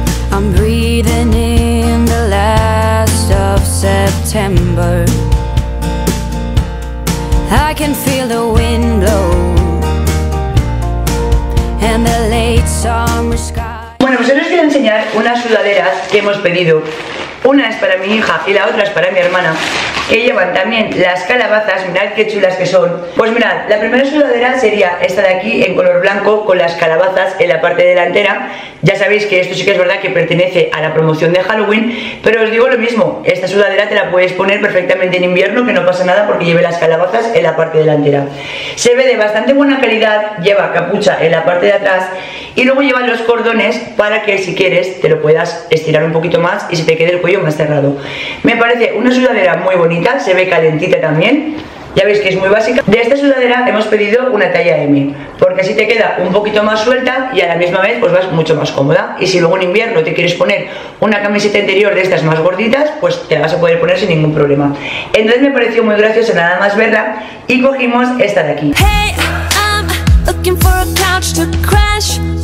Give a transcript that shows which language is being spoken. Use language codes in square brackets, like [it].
[en] I'm breathing in the last of September. I can feel the wind blow and the late summer sky. [es] Bueno, pues ahora os voy a enseñar unas sudaderas que hemos pedido. Una es para mi hija y la otra es para mi hermana, que llevan también las calabazas, mirad qué chulas que son. Pues mirad, la primera sudadera sería esta de aquí en color blanco con las calabazas en la parte delantera. Ya sabéis que esto sí que es verdad que pertenece a la promoción de Halloween, pero os digo lo mismo, esta sudadera te la puedes poner perfectamente en invierno, que no pasa nada porque lleve las calabazas en la parte delantera. Se ve de bastante buena calidad, lleva capucha en la parte de atrás y luego lleva los cordones para que si quieres te lo puedas estirar un poquito más y se te quede el cuello más cerrado. Me parece una sudadera muy bonita, se ve calentita también. Ya veis que es muy básica. De esta sudadera hemos pedido una talla M, porque así te queda un poquito más suelta y a la misma vez pues vas mucho más cómoda. Y si luego en invierno te quieres poner una camiseta interior de estas más gorditas, pues te la vas a poder poner sin ningún problema. Entonces me pareció muy graciosa nada más verla y cogimos esta de aquí. [en] Hey, I'm looking for a couch to crash.